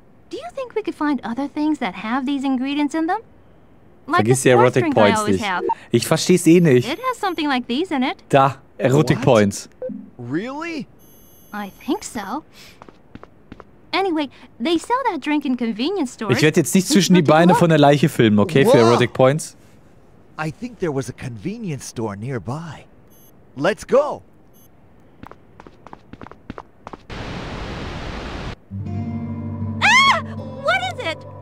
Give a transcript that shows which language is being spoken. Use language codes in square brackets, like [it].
[en] Do you think we could find other things that have these ingredients in them? Like the [de] erotic points. Ich versteh's eh nicht. [en] It has something like these in it. [de] Da, erotic points. [en] Really? I think so. Anyway, they sell that drink in convenience stores. [de] Ich werde jetzt nicht zwischen die Beine von der Leiche filmen, okay, für Erotic Points. [en] I think there was a convenience store nearby. Let's go. Ah! What is it?